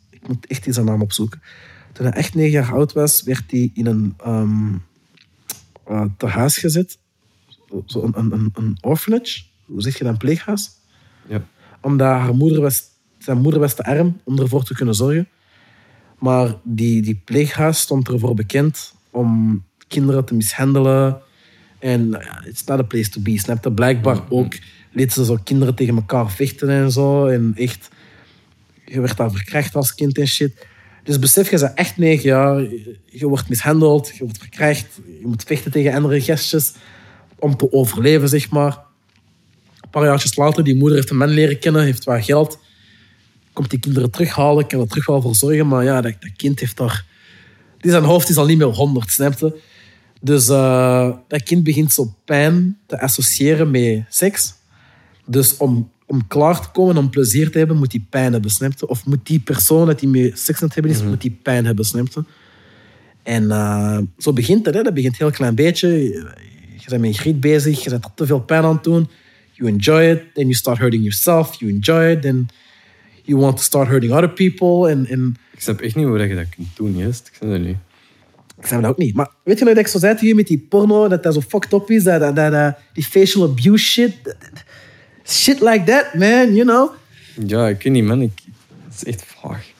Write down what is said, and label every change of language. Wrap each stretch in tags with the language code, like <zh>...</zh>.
<nl>Ik moet echt zijn naam opzoeken. Toen hij echt 9 jaar oud was, werd hij in een tehuis gezet. Zo'n orphanage. Hoe zeg je dat? Een pleeghuis. Ja. Omdat zijn moeder was te arm om ervoor te kunnen zorgen. Maar die pleeghuis stond ervoor bekend om kinderen te mishandelen.</nl> <en>En it's not a place to be, snapte.</en> <nl>Blijkbaar ook liet ze zo kinderen tegen elkaar vechten en zo. En echt, je werd daar verkracht als kind en shit. Dus besef, je bent echt 9 jaar. Je wordt mishandeld, je wordt verkracht. Je moet vechten tegen andere gastjes om te overleven, zeg maar. Een paar jaartjes later, die moeder heeft een man leren kennen, heeft wat geld. Komt die kinderen terughalen, kan er terug wel voor zorgen. Maar ja, dat kind heeft daar... Zijn hoofd is al niet meer 100, snapte. Dus dat kind begint zo pijn te associëren met seks. Dus om klaar te komen, om plezier te hebben, moet die pijn hebben, snapte. Of moet die persoon dat die met seks aan het hebben is, moet die pijn hebben, snapte. En zo begint het, hè. Dat begint heel klein beetje. Je bent met een griet bezig, je bent te veel pijn aan het doen.</nl> <en>You enjoy it, then you start hurting yourself. You enjoy it, then... You want to start hurting other people.</en> <nl>Ik snap echt niet hoe je dat kunt doen, juist. Ik snap dat niet. Ik snap dat ook niet. Maar weet je nog dat ik zo zei tegen je met die porno, dat zo fucked up is, dat die facial abuse shit.</nl> <en>Shit like that, man, you know?</en> <nl>Ja, ik weet niet, man. Het is echt vaag.</nl>